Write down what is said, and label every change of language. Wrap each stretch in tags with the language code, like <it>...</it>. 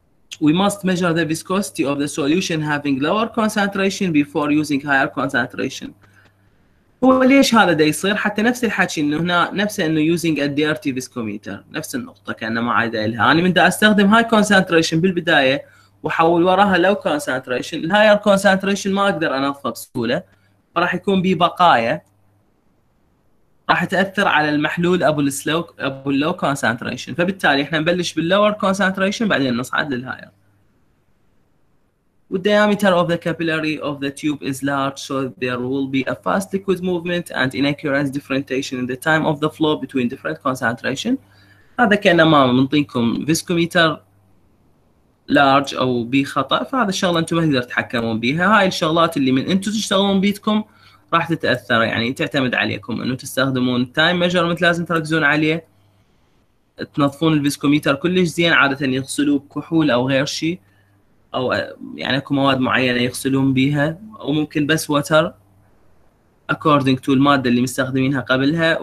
<en>We must measure the viscosity of the solution having lower concentration before using higher concentration.</en> <ar>هو ليش هذا دا يصير؟ حتى نفس الحكي انه هنا نفسه انه</ar> <en>using a dirty viscometer،</en> <ar>نفس النقطة كأنه ما عاد لها. أنا من دا استخدم high concentration بالبداية وحول وراها low concentration، higher concentration ما أقدر أنظفه بسهولة، راح يكون بي بقايا، راح تأثر على المحلول أبو السلوك أبو اللو كونسنتريشن. فبالتالي إحنا نبلش باللور كونسنتريشن بعدين نصعد للهاير.</ar> <en>The diameter of the capillary of the tube is large, so there will be a fast liquid movement and inaccurate differentiation in the time of the flow between different concentration.</en> <ar>هذا كأنما منطيكم viscometer large أو بخطأ، فهذا الشغلة أنتم ما تقدر تحكمون بها. هاي الشغلات اللي من أنتم تشتغلون بيتكم راح تتأثر، يعني تعتمد عليكم أنه تستخدمون time measurement لازم تركزون عليه، تنظفون الفيسكوميتر كلش زين، عادة يغسلوا كحول أو غير شيء، او يعني اكو مواد معينه يغسلون بيها، او ممكن بس</ar> <en>water according to</en> <ar>الماده اللي مستخدمينها قبلها.</ar>